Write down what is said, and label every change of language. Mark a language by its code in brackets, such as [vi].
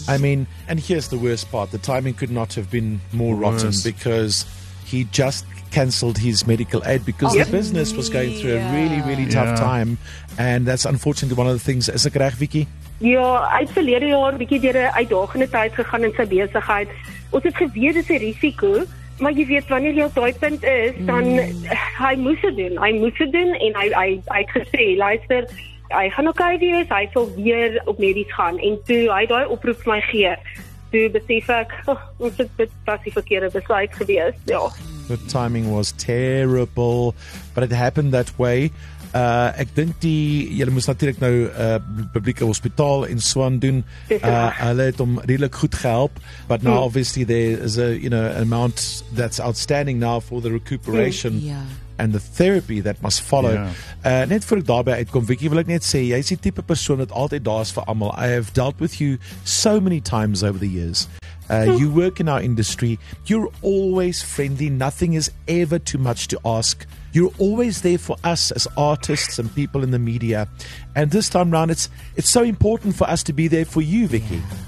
[en] I mean, and here's the worst part, the timing could not have been more rotten because he just cancelled his medical aid because the business was going through a really, really tough time and that's unfortunately one of the things, [af] is ek reg, [en] Vicky? [af] Ja, hy het verlede jaar bietjie deur 'n uitdagende tyd gegaan in sy besigheid. Ons het geweet dis 'n risiko, maar jy weet wanneer jy op daai punt is, dan hy moes dit doen. Hy moes dit doen en hy het gesê, luister, hy gaan okay wees, hy sal weer op medies gaan. En toe hy daai oproep vir my gee, toe besef ek, ons het dit pas die verkeerde besluit gewees. Ja. [en] The timing was terrible, but it happened that way. [af] Ek dink jy moes natuurlik nou publieke hospitaal en swaan doen. Hulle het hom redelik goed gehelp, [en] but now obviously there is a an amount that's outstanding now for the recuperation and the therapy that must follow. [af] Net voor ek daarby uitkom, Vicky, wil ek net sê jy is die tipe persoon wat altyd daar is vir almal. [en] I have dealt with you so many times over the years. You work in our industry. You're always friendly. Nothing is ever too much to ask. You're always there for us as artists and people in the media. And this time round, it's so important for us to be there for you, Vicky.